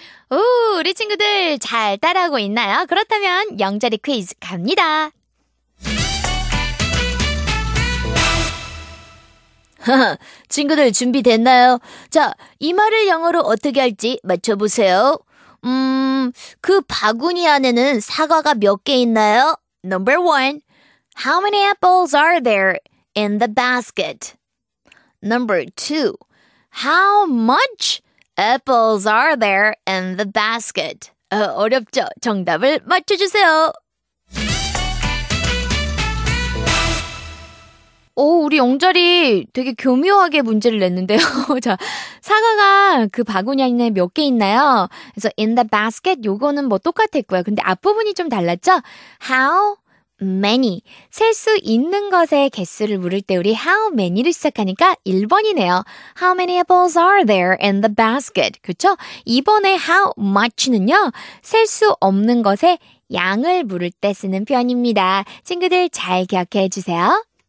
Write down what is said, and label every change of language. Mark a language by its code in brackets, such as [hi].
[ko] 오, 우리 친구들 잘 따라하고 있나요? 그렇다면 영자리 퀴즈 갑니다. 친구들 준비됐나요? 자, 이 말을 영어로 어떻게 할지 맞춰보세요. 그 바구니 안에는 사과가 몇 개 있나요? [en] Number one, how many apples are there in the basket? Number two, how much apples are there in the basket? [ko] 어렵죠? 정답을 맞춰주세요. 오, 우리 영자리 되게 교묘하게 문제를 냈는데요. 자, 사과가 그 바구니 안에 몇 개 있나요? 그래서 [en] in the basket [ko] 요거는 뭐 똑같았고요. 근데 앞부분이 좀 달랐죠? [en] How many? [ko] 셀 수 있는 것의 개수를 물을 때 우리 [en] how many [ko] 를 시작하니까 1번이네요. [en] How many apples are there in the basket? [ko] 그렇죠? 2번의 [en] how much [ko] 는요. 셀 수 없는 것의 양을 물을 때 쓰는 표현입니다. 친구들 잘 기억해 주세요.